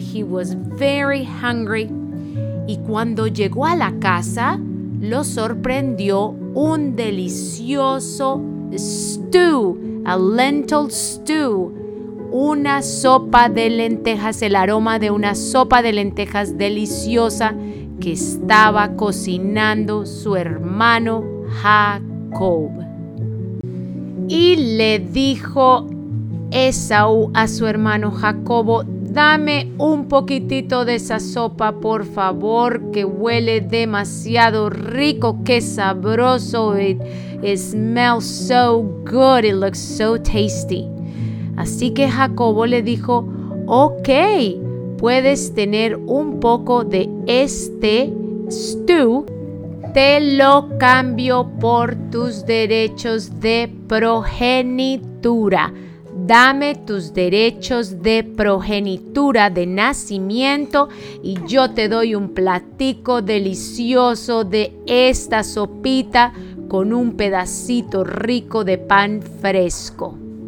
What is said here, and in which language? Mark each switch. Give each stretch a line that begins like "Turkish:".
English: He was very hungry.
Spanish: Y cuando llegó a la casa, lo sorprendió un delicioso stew,
English: a lentil stew,
Spanish: una sopa de lentejas, el aroma de una sopa de lentejas deliciosa que estaba cocinando su hermano Jacob. Y le dijo Esaú a su hermano Jacobo, dame un poquitito de esa sopa, por favor, que huele demasiado rico, qué sabroso.
English: It smells so good, it looks so tasty.
Spanish: Así que Jacobo le dijo, ok, puedes tener un poco de este stew, te lo cambio por tus derechos de progenitura. Dame tus derechos de progenitura, de nacimiento, y yo te doy un platico delicioso de esta sopita con un pedacito rico de pan fresco.